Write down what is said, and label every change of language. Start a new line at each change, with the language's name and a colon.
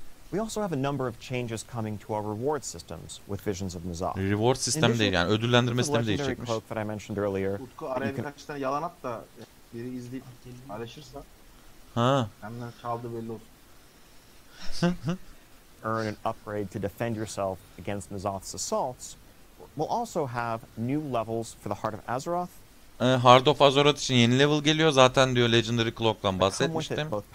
English: We also have a number of changes coming to our reward systems with Visions of Nazoth.
Turkish: Reward system değil yani ödüllendirme sistemi değişecekmiş. Utku araya birkaç tane yalan at da biri izleyip araşırsa. Ha. Benden çaldı belli olsun.
English: Earn an upgrade to defend yourself against Nazoth's assaults. We'll also have new levels for the Heart of Azeroth.
Turkish: Heart of Azeroth için yeni level geliyor zaten diyor Legendary Clock'tan bahsetmiştim.